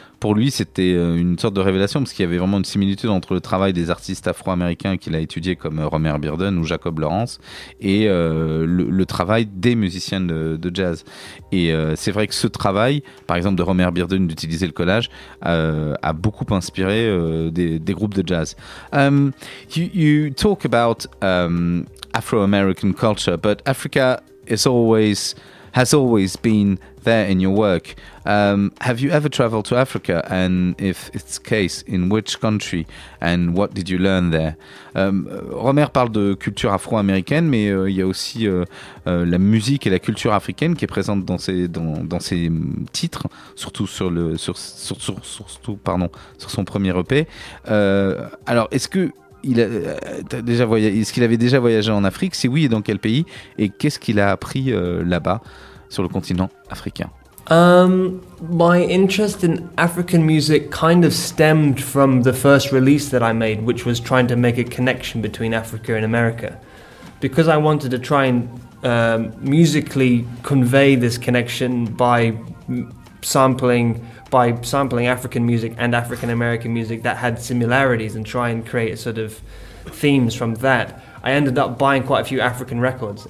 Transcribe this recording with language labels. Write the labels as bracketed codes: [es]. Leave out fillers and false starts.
[fr] pour lui, c'était une sorte de révélation, parce qu'il y avait vraiment une similitude entre le travail des artistes afro-américains qu'il a étudié comme Romare Bearden ou Jacob Lawrence, et le travail des musiciens de jazz. Et c'est vrai que ce travail, par exemple de Romare Bearden, d'utiliser le collage, a beaucoup inspiré des groupes de jazz. [en] You talk about Afro-American culture, but Africa has always been there in your work. Have you ever traveled to Africa? And if it's the case, in which country? And what did you learn there? [fr] Romare parle de culture afro-américaine, mais il y a aussi la musique et la culture africaine qui est présente dans ses titres, surtout sur son premier EP. Alors, est-ce qu'il avait déjà voyagé en Afrique? Si oui, et dans quel pays? Et qu'est-ce qu'il a appris là-bas, sur le continent africain? [en] My interest in African music kind of stemmed from the first release that I made, which was trying to make a connection between Africa and America. Because I wanted to try and musically convey this connection by sampling African music and African American music that had similarities and try and create a sort of themes from that, I ended up buying quite a few African records.